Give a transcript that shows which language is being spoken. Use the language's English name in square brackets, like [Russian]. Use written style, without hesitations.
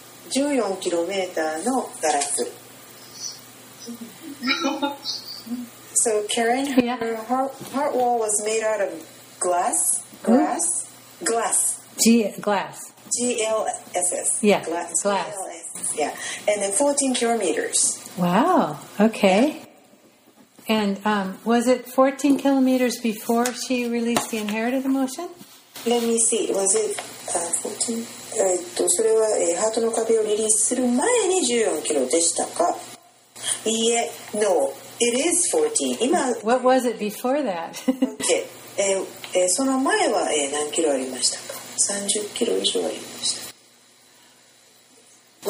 [Japanese] 14キロメーターのガラス。 [English] So Karen, her heart wall was made out of glass? Glass? Glass. Glass. G-L-S-S. Yeah, glass. Yeah, and then 14 kilometers. Wow, okay. And was it 14 kilometers before she released the inherited emotion? Let me see. Was it 14? [Japanese] それはハートの壁をリリースする前に14キロでしたか？いいえ、 [English] no. It is 14. 今 What was it before that? okay. [Japanese] その前は何キロありましたか？30キロ以上ありました。